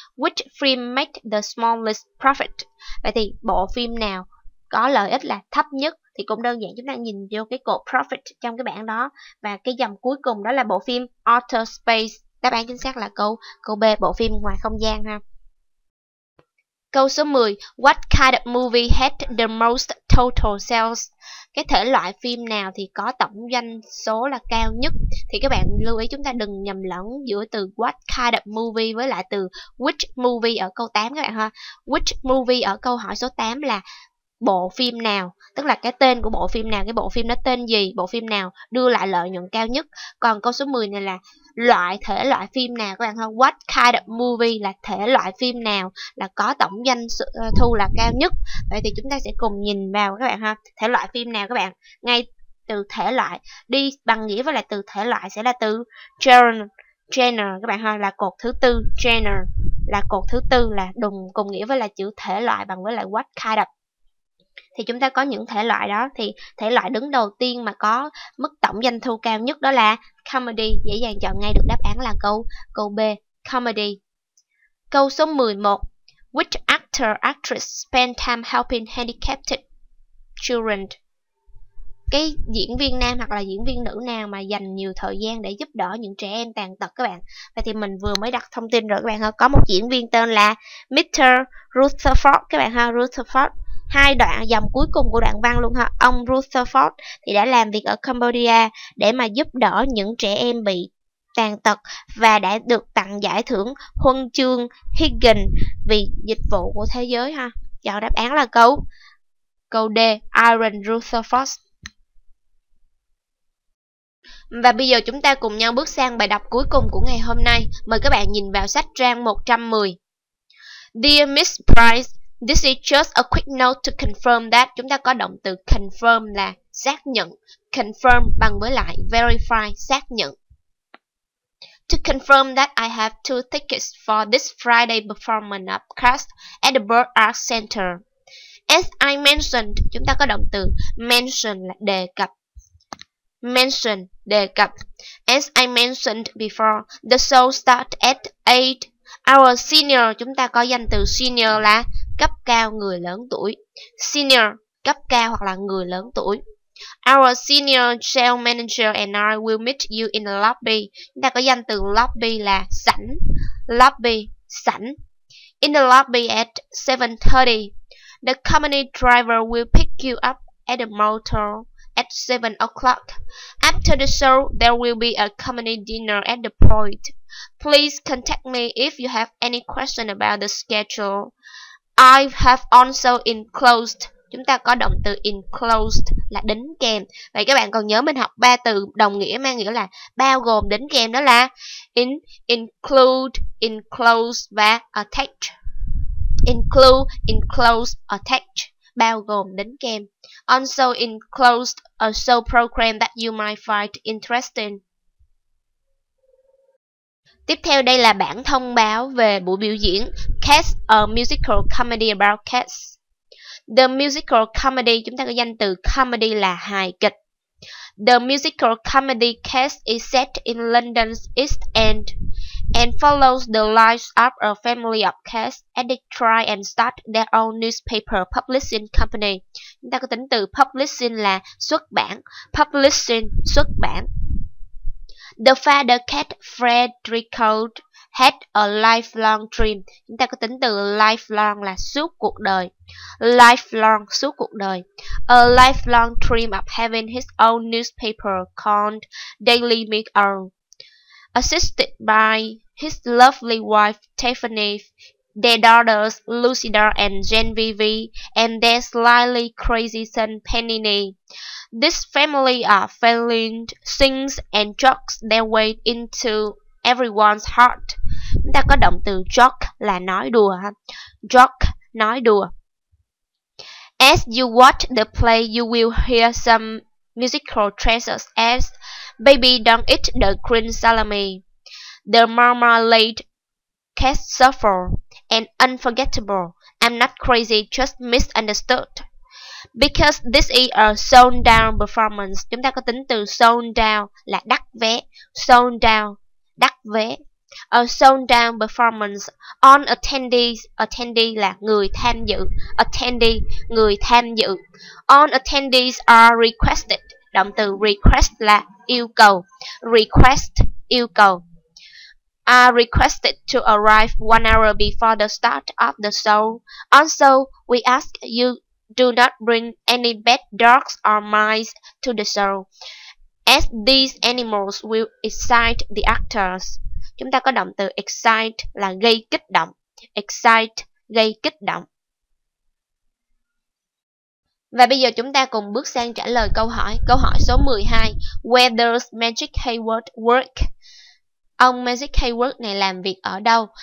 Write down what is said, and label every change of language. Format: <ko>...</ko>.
<en>Which film made the smallest profit?</en> <vi>Vậy thì bộ phim nào có lợi ích là thấp nhất? Thì cũng đơn giản, chúng ta nhìn vô cái cột profit trong cái bảng đó. Và cái dòng cuối cùng đó là bộ phim Outer Space. Đáp án chính xác là câu B, bộ phim ngoài không gian ha. Câu số 10,</vi> <en>what kind of movie had the most total sales?</en> <vi>Cái thể loại phim nào thì có tổng doanh số là cao nhất? Thì các bạn lưu ý chúng ta đừng nhầm lẫn giữa từ</vi> <en>what kind of movie</en> <vi>với lại từ</vi> <en>which movie</en> <vi>ở câu 8 các bạn ha.</vi> <en>Which movie</en> <vi>ở câu hỏi số 8 là bộ phim nào, tức là cái tên của bộ phim nào, cái bộ phim đó tên gì, bộ phim nào đưa lại lợi nhuận cao nhất. Còn câu số 10 này là loại thể loại phim nào các bạn ha.</vi> <en>What kind of movie</en> <vi>là thể loại phim nào là có tổng doanh thu là cao nhất. Vậy thì chúng ta sẽ cùng nhìn vào các bạn ha. Thể loại phim nào các bạn? Ngay từ thể loại đi bằng nghĩa với lại từ thể loại sẽ là từ genre các bạn ha, là cột thứ tư. Genre là cột thứ tư, là đồng cùng nghĩa với là chữ thể loại bằng với lại</vi> <en>what kind of.</en> <vi>Thì chúng ta có những thể loại đó, thì thể loại đứng đầu tiên mà có mức tổng doanh thu cao nhất đó là comedy. Dễ dàng chọn ngay được đáp án là câu B, comedy. Câu số 11,</vi> <en>which actor actress spend time helping handicapped children?</en> <vi>Cái diễn viên nam hoặc là diễn viên nữ nào mà dành nhiều thời gian để giúp đỡ những trẻ em tàn tật các bạn? Vậy thì mình vừa mới đặt thông tin rồi các bạn ha. Có một diễn viên tên là Mr. Rutherford các bạn ha, Rutherford. Hai đoạn dòng cuối cùng của đoạn văn luôn ha. Ông Rutherford thì đã làm việc ở Cambodia để mà giúp đỡ những trẻ em bị tàn tật và đã được tặng giải thưởng huân chương Higgins vì dịch vụ của thế giới ha. Chọn đáp án là câu D, Iron Rutherford. Và bây giờ chúng ta cùng nhau bước sang bài đọc cuối cùng của ngày hôm nay. Mời các bạn nhìn vào sách trang 110.</vi> <en>Dear Miss Price, this is just a quick note to confirm that.</en> <vi>Chúng ta có động từ confirm là xác nhận. Confirm bằng với lại verify, xác nhận.</vi> <en>To confirm that I have 2 tickets for this Friday performance of Cast at the Bird Art Center. As I mentioned,</en> <vi>chúng ta có động từ mention là đề cập. Mention, đề cập.</vi> <en>As I mentioned before, the show starts at 8. Our senior,</en> <vi>chúng ta có danh từ senior là cấp cao, người lớn tuổi. Senior, cấp cao hoặc là người lớn tuổi.</vi> <en>Our senior sales manager and I will meet you in the lobby.</en> <vi>Chúng ta có danh từ lobby là sảnh.</vi> <en>Lobby, sảnh. In the lobby at 7:30. The company driver will pick you up at the motel at 7 o'clock. After the show, there will be a company dinner at the point. Please contact me if you have any question about the schedule. I have also enclosed.</en> <vi>Chúng ta có động từ enclosed là đính kèm. Vậy các bạn còn nhớ mình học ba từ đồng nghĩa mang nghĩa là bao gồm, đính kèm, đó là include, enclosed và attach. Include, enclosed, attach, bao gồm, đính kèm.</vi> <en>Also enclosed a show program that you might find interesting.</en> <vi>Tiếp theo đây là bản thông báo về buổi biểu diễn Cats,</vi> <en>a musical comedy about cats. The musical comedy,</en> <vi>chúng ta có danh từ comedy là hài kịch.</vi> <en>The musical comedy Cats is set in London's East End and follows the lives of a family of cats as they try and start their own newspaper publishing company.</en> <vi>Chúng ta có tính từ publishing là xuất bản. Publishing, xuất bản.</vi> <en>The father cat Frederico had a lifelong dream.</en> <vi>Chúng ta có tính từ lifelong là suốt cuộc đời.</vi> <en>Lifelong,</en> <vi>suốt cuộc đời.</vi> <en>A lifelong dream of having his own newspaper called Daily Mirror. Assisted by his lovely wife Tiffany, their daughters Lucida and Jane Vivi, and their slightly crazy son Penny. This family are failing, sings and jokes their way into everyone's heart.</en> <vi>Chúng ta có động từ joke là nói đùa ha. Joke, nói đùa.</vi> <en>As you watch the play, you will hear some musical treasures as Baby Don't Eat the Green Salami, The Marmalade Cat Suffer, and Unforgettable, I'm Not Crazy, Just Misunderstood. Because this is a sold down performance,</en> <vi>chúng ta có tính từ sold down là đắt vé, sold down, đắt vé.</vi> <en>A sold down performance on attendees,</en> <vi>attendee là người tham dự, attendee, người tham dự.</vi> <en>On attendees are requested,</en> <vi>động từ request là yêu cầu, request, yêu cầu.</vi> <en>are requested to arrive 1 hour before the start of the show. Also, we ask you do not bring any pet dogs or mice to the show, as these animals will excite the actors.</en> <vi>Chúng ta có động từ excite là gây kích động. Excite, gây kích động. Và bây giờ chúng ta cùng bước sang trả lời câu hỏi. Câu hỏi số 12.</vi> <en>Whether Magic Hayward work?</en> <vi>Ông Magic Hayward này làm việc ở đâu?</vi>